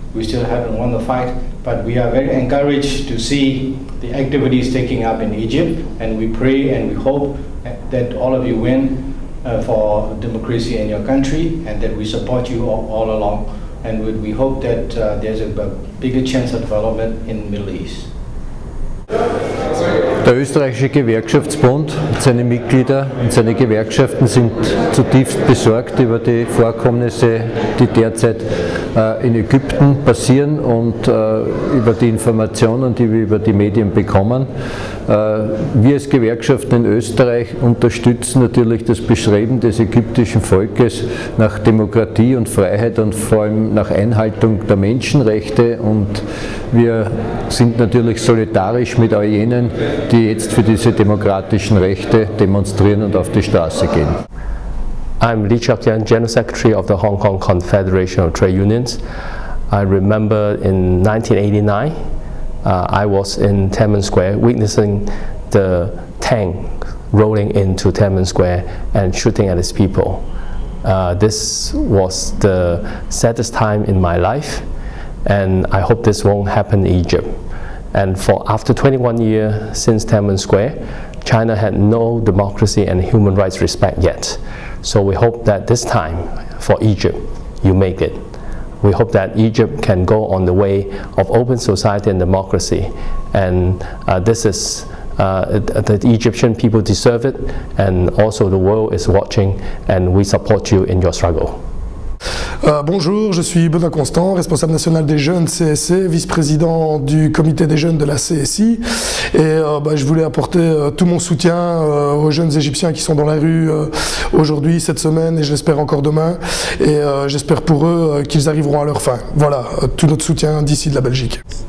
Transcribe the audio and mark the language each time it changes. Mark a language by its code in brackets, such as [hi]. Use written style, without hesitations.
[en] We still haven't won the fight, but we are very encouraged to see the activities taking up in Egypt, and we pray and we hope that all of you win for democracy in your country, and that we support you all along. And we hope that there's a bigger chance of development in the Middle East. [de] Der österreichische Gewerkschaftsbund und seine Mitglieder und seine Gewerkschaften sind zutiefst besorgt über die Vorkommnisse, die derzeit in Ägypten passieren und über die Informationen, die wir über die Medien bekommen. Wir als Gewerkschaften in Österreich unterstützen natürlich das Bestreben des ägyptischen Volkes nach Demokratie und Freiheit und vor allem nach Einhaltung der Menschenrechte, und wir sind natürlich solidarisch mit all jenen, die jetzt für diese demokratischen Rechte demonstrieren und auf die Straße gehen. [en] I'm Li Chiak-Tian, General Secretary of the Hong Kong Confederation of Trade Unions. I remember in 1989, I was in Tiananmen Square witnessing the tank rolling into Tiananmen Square and shooting at its people. This was the saddest time in my life, and I hope this won't happen in Egypt. And for after 21 years since Tiananmen Square, China had no democracy and human rights respect yet. So we hope that this time for Egypt, you make it. We hope that Egypt can go on the way of open society and democracy. And this is, the Egyptian people deserve it, and also the world is watching, and we support you in your struggle. [fr] Bonjour, je suis Benoît Constant, responsable national des jeunes CSC, vice-président du comité des jeunes de la CSI. Et je voulais apporter tout mon soutien aux jeunes Égyptiens qui sont dans la rue aujourd'hui, cette semaine, et j'espère encore demain. Et j'espère pour eux qu'ils arriveront à leur fin. Voilà, tout notre soutien d'ici de la Belgique.